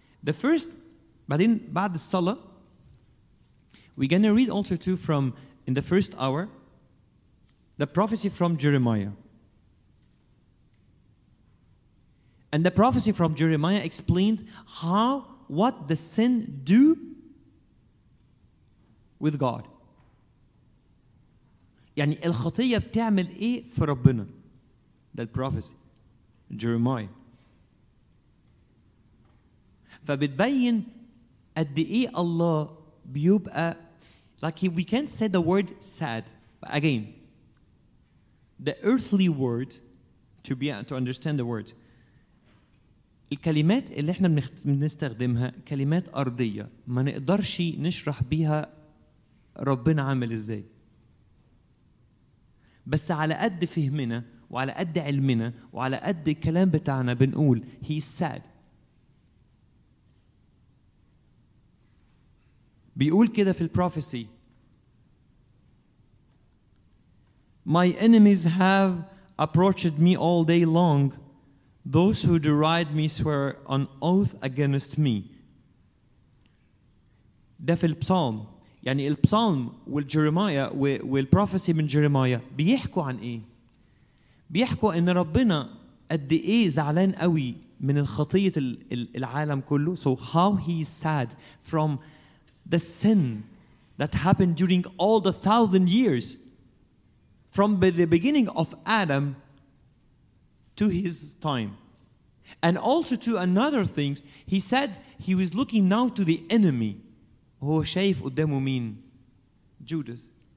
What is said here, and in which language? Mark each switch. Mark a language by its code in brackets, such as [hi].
[en] the first [ar] بعدين بعد الصلاه [en] we're going to read also too from in the first hour the prophecy from Jeremiah And the prophecy from Jeremiah explained how what the sin do with God. [ar] يعني الخطية بتعمل إيه في ربنا. [en] That prophecy, Jeremiah. [ar] فبتبين قد إيه الله بيبقى [en] like we can't say the word sad. But again, the earthly word to be to understand the word. [ar] الكلمات اللي احنا بنستخدمها كلمات ارضيه ما نقدرش نشرح بيها ربنا عامل ازاي بس على قد فهمنا وعلى قد علمنا وعلى قد الكلام بتاعنا بنقول [en] he's sad [ar] بيقول كده في البروفيسي [en] my enemies have approached me all day long Those who deride me swear on oath against me. [ar] ده في البسالم. يعني البسالم والجريميا والبروفيسي من جريميا بيحكوا عن ايه؟ بيحكوا ان ربنا قد ايه زعلان قوي من الخطية العالم كله. [en] So how he is sad from the sin that happened during all the thousand years from the beginning of Adam to his time. And also to another thing, he said he was looking now to the enemy. [ar] هو شايف قدامه مين؟ Judas.